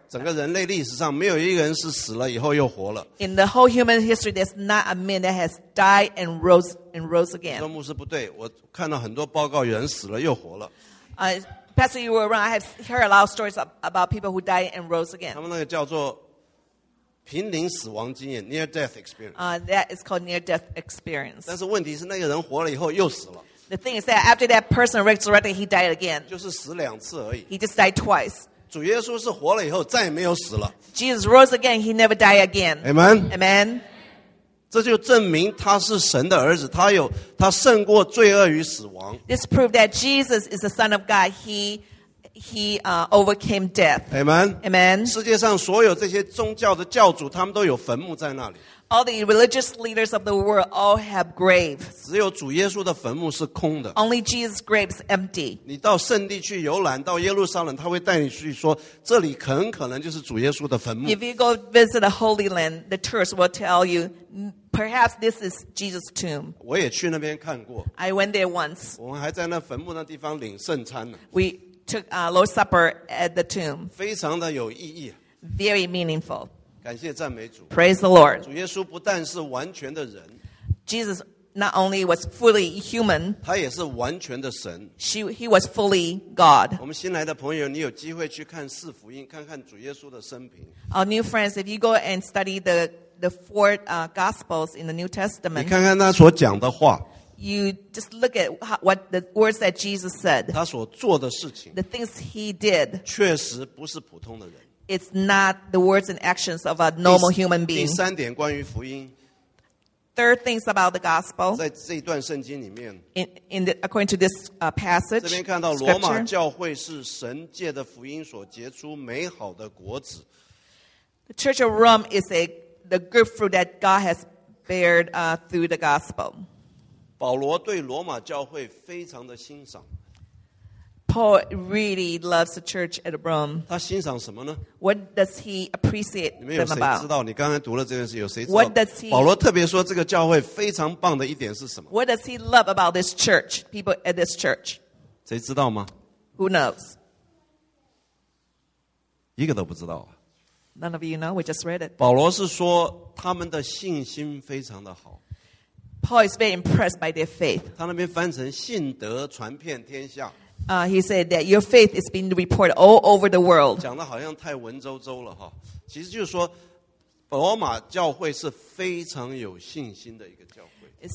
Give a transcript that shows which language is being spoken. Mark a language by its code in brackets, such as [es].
[zh] 整个人类历史上没有一个人是死了以后又活了。 [en] In the whole human history, there's not a man that has died and rose again. [zh] 说牧师不对，我看到很多报告，有人死了又活了。 [en] Pastor, you were wrong. I have heard a lot of stories about people who died and rose again. [zh] 他们那个叫做濒临死亡经验 [en] near death experience. That is called near death experience. [zh] 但是问题是那个人活了以后又死了。 [en] The thing is that after that person resurrected, he died again. [zh] 就是死两次而已。 [en] He just died twice. [zh] 主耶稣是活了以后再也没有死了。 [en] Jesus rose again, he never died again. Amen. Amen. [zh] 这就证明他是神的儿子，他胜过罪恶与死亡。 [en] This proved that Jesus is the Son of God. He overcame death. Amen. Amen. [zh] 世界上所有这些宗教的教主，他们都有坟墓在那里。 [en] All the religious leaders of the world all have graves. [zh] 只有主耶稣的坟墓是空的。 [en] Only Jesus' grave is empty. [zh] 你到圣地去游览，到耶路撒冷，他会带你去说，这里很可能就是主耶稣的坟墓。 [en] If you go visit the Holy Land, the tourists will tell you, perhaps this is Jesus' tomb. [zh] 我也去那边看过。 [en] I went there once. [zh] 我们还在那坟墓那地方领圣餐呢。 [en] We took Lord's Supper at the tomb. [zh] 非常的有意义。 [en] Very meaningful. [zh] 感谢赞美主。 [en] Praise the Lord. [zh] 主耶稣不但是完全的人。 [en] Jesus not only was fully human. [zh] 他也是完全的神。 [en] He was fully God. [zh] 我们新来的朋友，你有机会去看四福音，看看主耶稣的生平。 [en] Our new friends, if you go and study the four Gospels in the New Testament. [zh] 你看看他所讲的话。 [en] You just look at what the words that Jesus said. [zh] 他所做的事情。 [en] The things he did. [zh] 确实不是普通的人。 [en] It's not the words and actions of a normal human being. [zh] 第三点关于福音。 [en] Third things about the gospel. [zh] 在这段圣经里面。 [en] According to this passage. [zh] 这边看到罗马教会是神借的福音所结出美好的果子。 [en] The Church of Rome is the good fruit that God has bared through the gospel. [zh] 保罗对罗马教会非常的欣赏。 [en] Paul really loves the church at Rome. [zh] 他欣赏什么呢？ [en] What does he appreciate them about? [zh] 你们有谁知道？你刚才读了这件事，有谁知道？ [en] What does he? [zh] 保罗特别说这个教会非常棒的一点是什么？ [en] What does he love about this church? People at this church? [zh] 谁知道吗？ [en] Who knows? [zh] 一个都不知道啊。 [en] None of you know. We just read it. [zh] 保罗是说他们的信心非常的好。 [en] Paul is very impressed by their faith. [zh] 他那边翻成信德传遍天下。 [en] He said that your faith is being reported all over the world. [zh] 讲得好像太文绉绉了哈，其实就是说，罗马教会是非常有信心的一个教会。